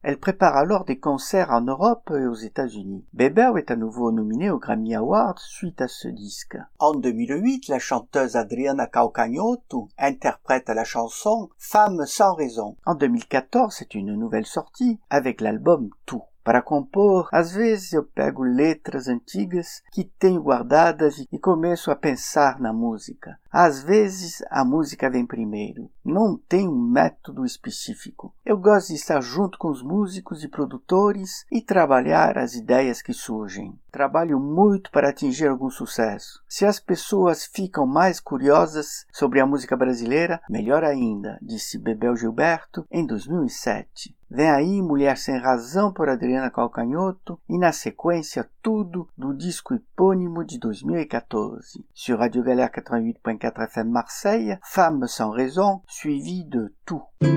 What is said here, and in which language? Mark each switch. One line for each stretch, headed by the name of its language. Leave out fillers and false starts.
French: Elle prépare alors des concerts en Europe et aux États-Unis. Bebel est à nouveau nominé aux Grammy Awards suite à ce disque. En 2008, la chanteuse Adriana Calcagnotto interprète la chanson Femme sans raison. En 2014, c'est une nouvelle sortie avec l'album Tout.
Portuguese: Para compor, às vezes eu pego letras antigas que tenho guardadas e começo a pensar na música. Às vezes a música vem primeiro. Não tenho um método específico. Eu gosto de estar junto com os músicos e produtores e trabalhar as ideias que surgem. Trabalho muito para atingir algum sucesso. Se as pessoas ficam mais curiosas sobre a música brasileira, melhor ainda, disse Bebel Gilberto em 2007. Vem aí Mulher Sem Razão por Adriana Calcagnotto e na sequência Tudo do disco epônimo de 2014.
French: Sur Radio Galère 88.4 FM Marseille, Femme Sans Raison, suivi de Tout.